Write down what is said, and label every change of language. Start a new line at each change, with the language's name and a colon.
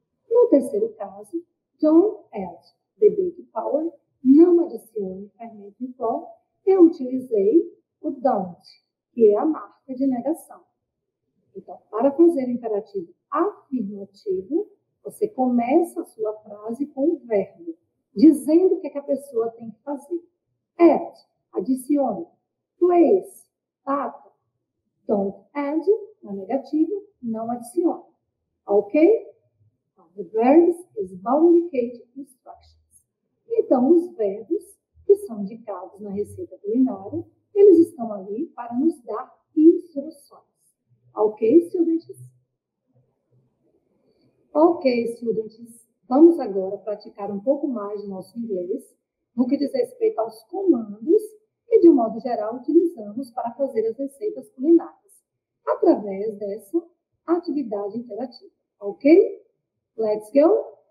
Portuguese: No terceiro caso,
English: don't add the baking powder,
Portuguese: não adicione fermento em pó, eu utilizei o don't, que é a marca de negação. Então, para fazer o imperativo afirmativo, você Você começa a sua frase com o verbo, dizendo o que, é que a pessoa tem que fazer. Add, adicione. Place, data. Don't add, na negativa, não adicione.
English: Ok? The verbs is indicate instructions.
Portuguese: Então, os verbos que são indicados na receita culinária, eles estão ali para nos dar instruções.
English: Ok, students?
Portuguese: Ok, students. Vamos agora praticar um pouco mais o nosso inglês no que diz respeito aos comandos que, de um modo geral, utilizamos para fazer as receitas culinárias através dessa atividade interativa.
English: Ok? Let's go.